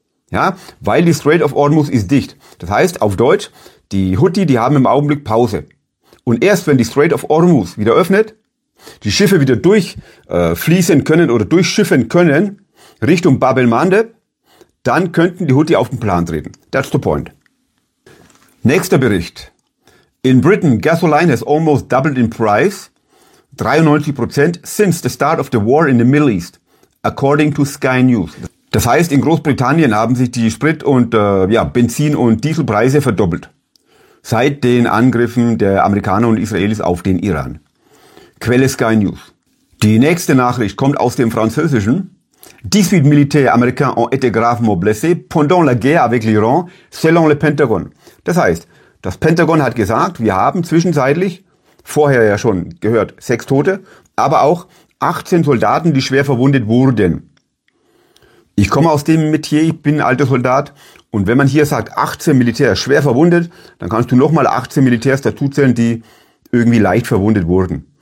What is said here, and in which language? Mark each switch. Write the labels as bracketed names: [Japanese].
[German] Ja, weil die Strait of Hormuz ist dicht. Das heißt auf Deutsch, die Houthi, die haben im Augenblick Pause. Und erst wenn die Strait of Hormuz wieder öffnet, die Schiffe wieder durchfließen können oder durchschiffen können Richtung Bab el-Mandeb, dann könnten die Houthi auf den Plan treten. [English] That's the point. [German] Nächster Bericht. [English] In Britain, gasoline has almost doubled in price, 93% since the start of the war in the Middle East, according to Sky News. [German] Das heißt, in Großbritannien haben sich die Sprit- und Benzin- und Dieselpreise verdoppelt. Seit den Angriffen der Amerikaner und Israelis auf den Iran. Quelle Sky News. Die nächste Nachricht kommt aus dem Französischen. [French] Dix-huit militaires américains ont été gravement blessés pendant la guerre avec l'Iran, selon le Pentagon. [German] Das heißt, das Pentagon hat gesagt, wir haben zwischenzeitlich, vorher ja schon gehört, 6 Tote, aber auch 18 Soldaten, die schwer verwundet wurden. Ich komme aus dem Metier, ich bin ein alter Soldat. Und wenn man hier sagt, 18 Militärs schwer verwundet, dann kannst du nochmal 18 Militärs dazuzählen, die irgendwie leicht verwundet wurden.